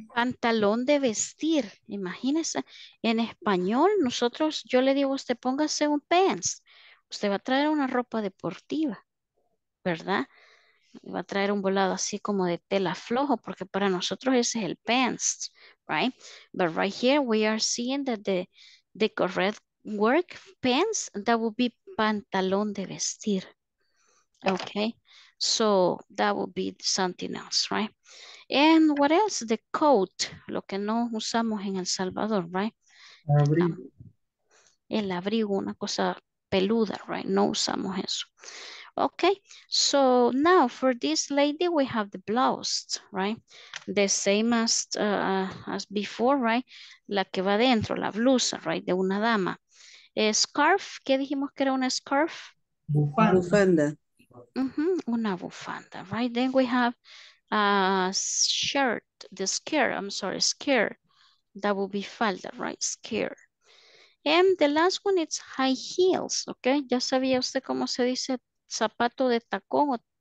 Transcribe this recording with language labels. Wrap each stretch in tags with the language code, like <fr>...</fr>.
<es>Pantalón de vestir. Imagínese, en español, nosotros, yo le digo a usted, póngase un pants. Usted va a traer una ropa deportiva, ¿verdad? Va a traer un volado así como de tela flojo, porque para nosotros ese es el pants, right?</es> <en>But right here we are seeing that the correct work pants, that would be</en> <es>pantalón de vestir,</es> <en>okay? So that would be something else, right? And what else? The coat,</en> <es>lo que no usamos en El Salvador, right? El abrigo, una cosa peluda, right? No usamos eso.</es> <en>Okay, so now for this lady, we have the blouse, right? The same as before, right?</en> <es>La que va dentro, la blusa, right? De una dama. Scarf, ¿qué dijimos que era una scarf? Bufanda. Una bufanda, right?</es> <en>Then we have a shirt, the skirt, I'm sorry, skirt. That would be falda, right? Skirt. And the last one, it's high heels, okay?</en> <es>¿Ya sabía usted cómo se dice zapato de tacón?</es>